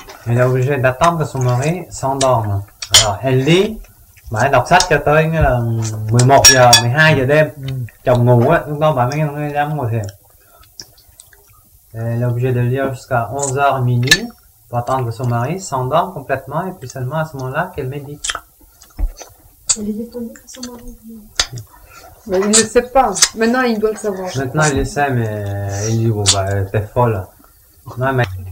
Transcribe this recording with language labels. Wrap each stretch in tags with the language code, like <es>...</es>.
<fr>Elle est obligée d'attendre que son mari s'endorme. Alors, elle lit, bah, elle</fr> <vi>đọc sách cho tới 11 giờ, 12 giờ đêm. Chồng ngủ, lúc đó bà mới dám ngồi thiền.</vi> <fr>Elle est obligée de lire jusqu'à 11h minuit pour attendre que son mari s'endorme complètement et puis seulement à ce moment-là qu'elle médite. Elle est étonnée que son mari. Mais il ne sait pas. Maintenant, il doit le savoir. Maintenant, il le sait, mais il dit, bon, bah, t'es folle. Non, mais.</fr>